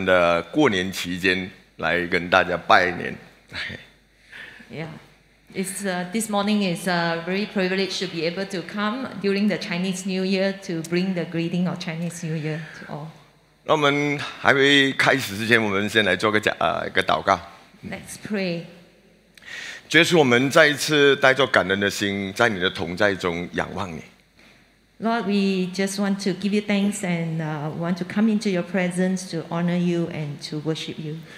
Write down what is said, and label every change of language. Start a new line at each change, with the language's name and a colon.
Chinese: 那今天早上呢，能够在我们华人的过年期间来跟大家拜年。
English: Yeah. This morning is a very privileged to be able to come during the Chinese New Year to bring the greeting of Chinese New Year to all.
Chinese: 那我们还没开始之前，我们先来做个祷告。
English: Let's pray.
Chinese: 主耶稣，我们再一次带着感恩的心，在你的同在中仰望你。
English: Lord, we just want to give you thanks and want to come into your presence to honor you and to worship you.